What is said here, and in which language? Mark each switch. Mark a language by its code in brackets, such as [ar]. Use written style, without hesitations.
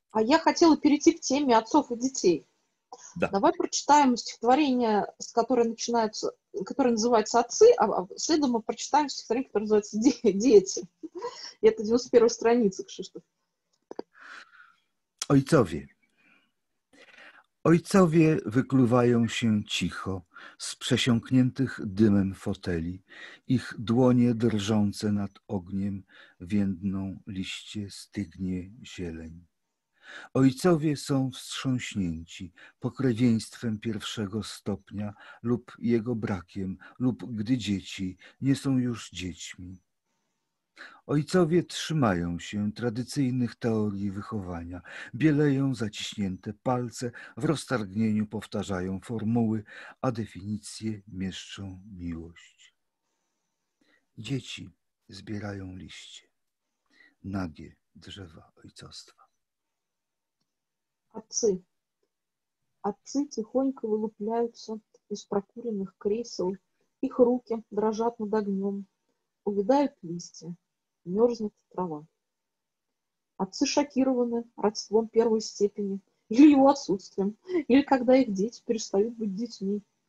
[ru] А я хотела перейти к теме отцов и детей. Да. Давай прочитаем стихотворение, которое называется «Отцы», а следом мы прочитаем стихотворение, которое называется «Дети». И это 91-я страница, Кшиштоф. [pl] Ojcowie. Ojcowie wykluwają się cicho z przesiąkniętych dymem foteli. Ich dłonie drżące nad ogniem więdną liście stygnie zieleń. Ojcowie są wstrząśnięci pokrewieństwem pierwszego stopnia lub jego brakiem, lub gdy dzieci nie są już dziećmi. Ojcowie trzymają się tradycyjnych teorii wychowania, bieleją zaciśnięte palce, w roztargnieniu powtarzają formuły, a definicje mieszczą miłość. Dzieci zbierają liście, nagie drzewa ojcostwa. [ru] Отцы. Отцы тихонько вылупляются из прокуренных кресел, их руки дрожат над огнем, увядают листья, мерзнет трава. Отцы шокированы родством первой степени или его отсутствием, или когда их дети перестают быть детьми.